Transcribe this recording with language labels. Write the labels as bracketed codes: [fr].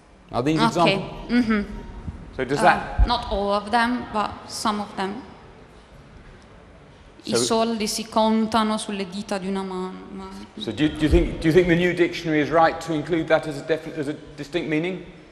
[en] Are these examples? Okay. Mm-hmm. So does that? Not all of them, but some of them. [it] So I soldi si contano sulle dita di una mano. [en] So do you think the new dictionary is right to include that as a distinct meaning?